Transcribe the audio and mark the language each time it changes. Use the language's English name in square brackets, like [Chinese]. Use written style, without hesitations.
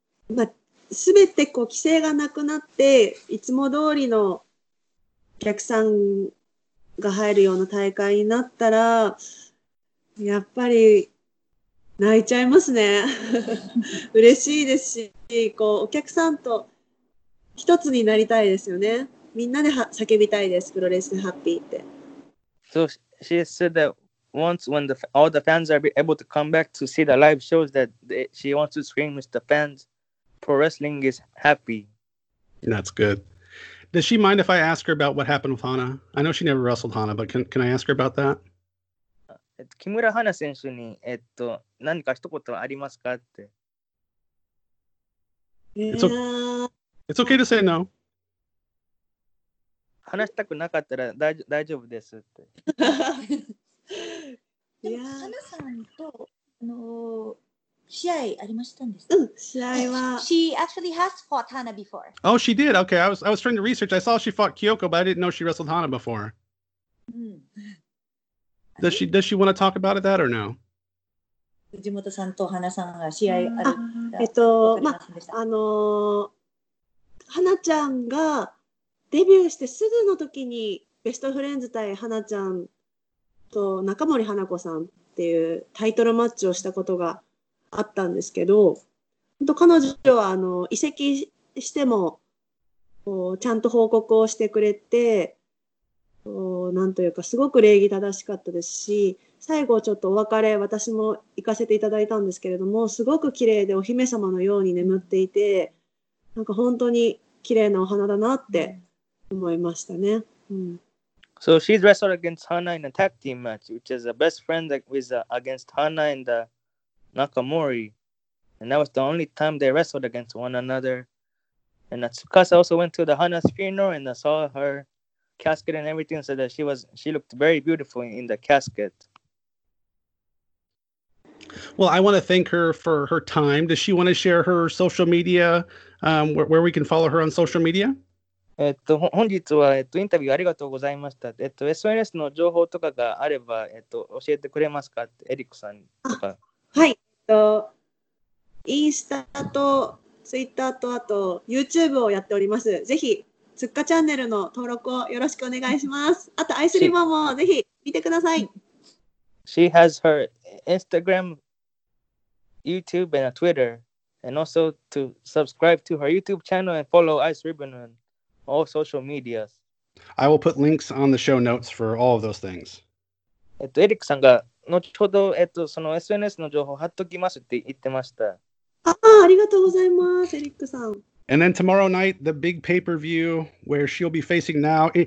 [Japanese] まあ、全てこう規制がなくなっていつも通りのお客さんが入るような大会になったらやっぱり泣いちゃいますね。嬉しいですし、こうお客さんと一つになりたいですよね。みんなで叫びたいです。プロレスハッピーって。 [English] So she said that once when all the fans are able to come back to see the live shows, that she wants to scream with the fans, pro wrestling is happy. That's good. Does she mind if I ask her about what happened with Hana? I know she never wrestled Hana, but can I ask her about that? [Japanese] 木村花選手に何か一言ありますかって。 [English] It's okay to say no. [Japanese] 話したくなかったら大丈夫ですって。でも花さんと試合ありましたんですか？試合は。 [English] She actually has fought Hana before. Oh, she did. Okay, I was trying to research. I saw she fought Kyoko, but I didn't know she wrestled Hana before. Does she want to talk about it that or no? [Japanese] Fujimoto さんと花さんが試合ある。花ちゃんがデビューしてすぐの時にベストフレンズ対花ちゃんと中森花子さんっていうタイトルマッチをしたことがあったんですけど、彼女は移籍してもこうちゃんと報告をしてくれて、なんというかすごく礼儀正しかったですし、最後ちょっとお別れ私も行かせていただいたんですけれどもすごく綺麗でお姫様のように眠っていてなんか本当に綺麗なお花だなって思いましたね、うん、 [English] So she wrestled against Hana in a tag team match which is a best friend with, against Hana and the Nakamori and that was the only time they wrestled against one another and Tsukasa also went to the Hana's funeral and saw hercasket and everything so that she looked very beautiful in the casket. Well, I want to thank her for her time. Does she want to share her social media, where we can follow her on social media? [Japanese] 本日は、インタビューありがとうございました。SNS の情報とかがあれば、教えてくれますか、エリックさんとか。はい。インスタとツイッターとあと YouTube をやっております。ぜひ。つっかチャンネルの登録をよろしくお願いします。あとアイスリボンもぜひ見てください。 [English] She has her Instagram, YouTube, and a Twitter, and also to subscribe to her YouTube channel and follow Ice Ribbon on all social medias. I will put links on the show notes for all of those things. [Japanese] エリックさんが後ほど、その SNS の情報貼っときますって言ってました。ああ、ありがとうございます、エリックさん。 [English] And then tomorrow night, the big pay-per-view where she'll be facing Now.